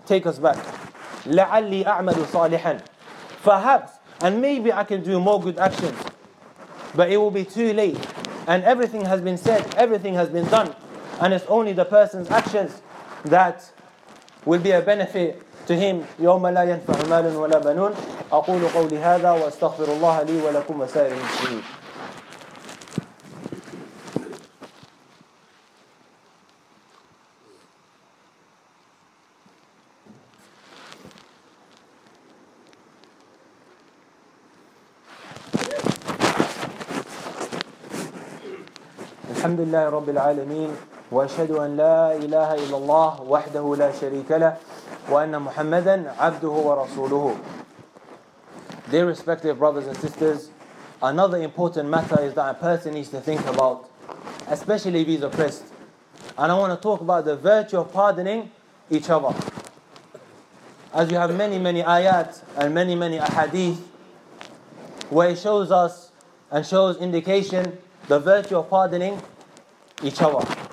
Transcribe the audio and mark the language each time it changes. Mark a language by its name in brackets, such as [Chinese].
[Arabic] لَعَلِّي أَعْمَلُ صَالِحًا. [English] Perhaps, and maybe I can do more good actions. But it will be too late. And everything has been said, everything has been done. And it's only the person's actions that will be a benefit to him. [Arabic] يوم لا ينفع مال ولا بنون. أقول قولي هذا وأستغفر الله لي ولكم وسائر المسلمين. الحمد لله رب العالمين وأشهد أن لا إله إلا الله وحده لا شريك له وأن محمدا عبده ورسوله. [English] Dear respective brothers and sisters, another important matter is that a person needs to think about, especially if he's oppressed. And I want to talk about the virtue of pardoning each other. As you have many ayat and many ahadith where it shows us and shows indication the virtue of pardoning each other.